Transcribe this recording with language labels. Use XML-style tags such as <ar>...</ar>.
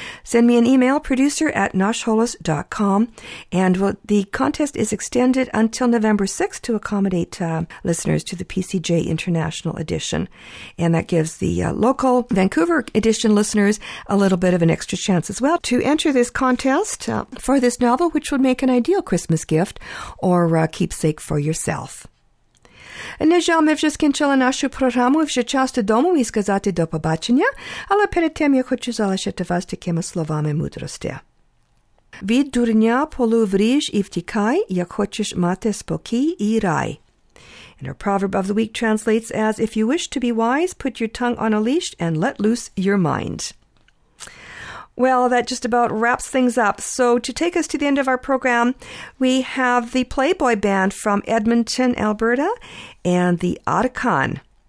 <en>Send me an email, producer@nashholos.com. And the contest is extended until November 6th to accommodate listeners to the PCJ International Edition. And that gives the local Vancouver Edition listeners a little bit of an extra chance as well to enter this contest for this novel, which would make an ideal Christmas gift or keepsake for yourself.</en> <uk>На жаль, ми вже скінчили нашу програму, вже час додому і сказати до побачення, але перед тим я хочу залишити вас такими словами мудрості. Від дурня полувріж і втікай, як хочеш мати спокій і рай.</uk> <en>And our proverb of the week translates as, if you wish to be wise, put your tongue on a leash and let loose your mind. Well, that just about wraps things up. So to take us to the end of our program, we have the Playboy Band from Edmonton, Alberta, and the Otacon.</en>